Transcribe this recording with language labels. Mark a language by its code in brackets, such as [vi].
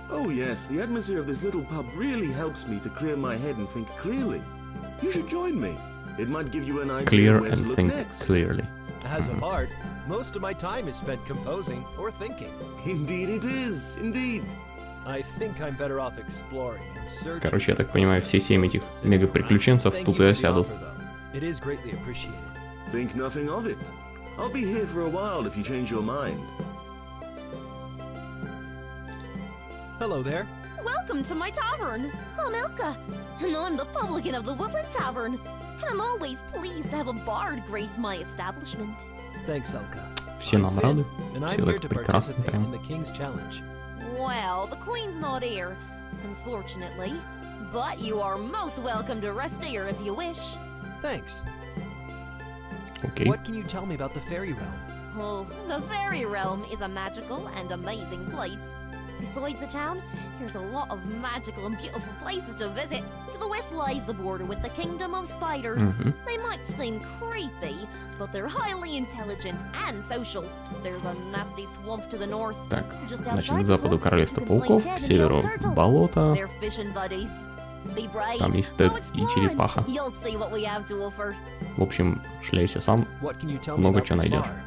[en] Oh yes, the atmosphere of this little pub really helps me to clear my head and think clearly. You should join me. It might give you an idea clear where and to think look next. Clearly. As a bard, most of my time is spent composing or thinking. Indeed it is, indeed. I think I'm better off exploring and searching. [ru] Короче, я так понимаю, все семь этих мега-приключенцев тут и осядут. [en] It is greatly appreciated. Think nothing of it. I'll be here for a while if you change your mind. Hello there. Welcome to my tavern. I'm Elka, and I'm the publican of the Woodland Tavern. And I'm always pleased to have a bard grace my establishment. Thanks, Elka. [ru] Все нам рады. Все так прекрасно прям. [en] Well, the queen's not here, unfortunately. But you are most welcome to rest here if you wish. Thanks. Okay. What can you tell me about the fairy realm? Oh, the fairy realm is a magical and amazing place. Besides the town, there's a lot of magical and beautiful places to visit. To the west lies the border with the kingdom of spiders. Mm-hmm. They might seem creepy, but they're highly intelligent and social. There's a nasty swamp to the north. [ru] Так, значит, к западу королевство пауков, к северу болото. [en] They're fishing buddies. Be brave. [ru] Там есть Тед и черепаха. [en] You'll see what we have to offer. [ru] В общем, шляйся сам, много чего найдешь.